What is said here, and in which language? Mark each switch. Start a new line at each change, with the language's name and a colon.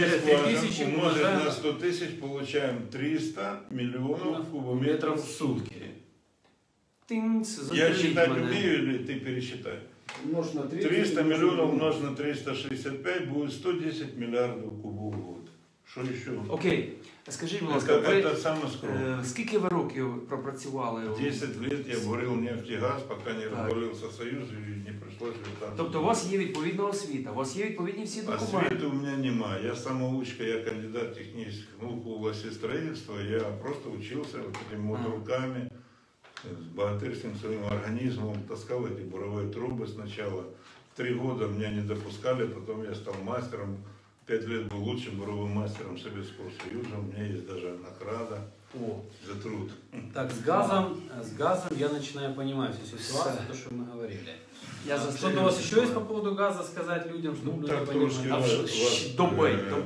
Russian: Вот, смотри, 3 тысячи умножить на 100 тысяч, получаем 300 миллионов кубометров в сутки. Я считать умею или ты пересчитай? 300 миллионов умножить на 365 будет 110 миллиардов кубов в год.
Ukrainian: Що ще? Окей. А скажіть, будь ласка, скільки ви років пропрацювали? 10 років я горів нефтегаз, поки не розвалився Союз і не прийшлося вітати. Тобто у вас є відповідна освіта, у вас є відповідні всі документи? Освіти у мене немає. Я самоучка, я кандидат технічних наук у власті будівництва. Я просто вчився такими руками, з багатирським своїм організмом, таскав ці бурові труби спочатку. 3 роки мене не допускали, потім я став майстром.
Russian: 5 лет был лучшим буровым мастером Советского Союза, у меня есть даже награда за труд. Так, с газом я начинаю понимать всю ситуацию, то, что мы говорили. Что-то у вас еще есть по поводу газа сказать людям, чтобы люди понимали? Давай.